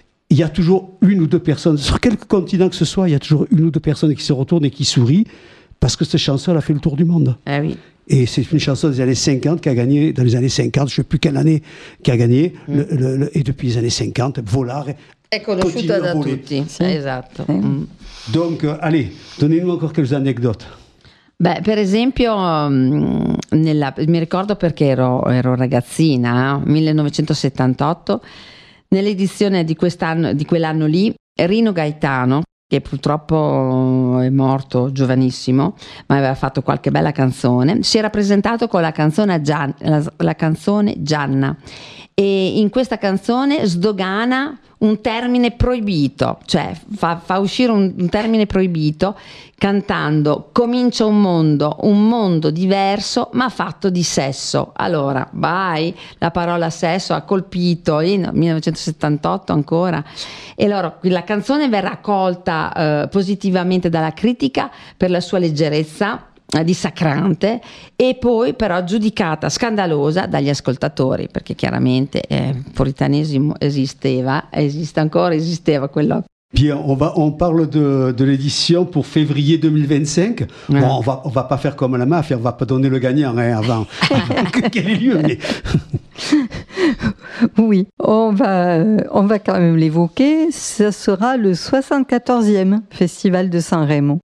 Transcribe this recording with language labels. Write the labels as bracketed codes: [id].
[fr] Il y a toujours une ou deux personnes, sur quelque continent que ce soit, il y a toujours une ou deux personnes qui se retournent et qui sourient, parce que cette chanson a fait le tour du monde. Ah oui. Et c'est une chanson des années 50 qui a gagné, dans les années 50, je ne sais plus quelle année, qui a gagné, et depuis les années 50, Volare. [it] È conosciuta da tutti, esatto. [fr] Donc, allez, donnez-nous encore quelques anecdotes. [it] Beh, per esempio, mi ricordo perché ero ragazzina, 1978, nell'edizione di quest'anno, di quell'anno lì, Rino Gaetano, che purtroppo è morto giovanissimo, ma aveva fatto qualche bella canzone, si era presentato con la canzone Gianna. E in questa canzone sdogana un termine proibito, cioè fa uscire un termine proibito cantando comincia un mondo diverso ma fatto di sesso. Allora, vai, la parola sesso ha colpito in 1978 ancora. E allora la canzone verrà accolta positivamente dalla critica per la sua leggerezza dissacrante e poi però giudicata scandalosa dagli ascoltatori, perché chiaramente puritanesimo esiste ancora quello. [fr] Bien, on parle de l'édition pour février 2025. Ouais. Bon, on va pas faire comme la mafia, on va pas donner le gagnant hein, avant qu'il ait lieu. Mais... oui, on va quand même l'évoquer. Ça sera le 74e Festival de San Remo.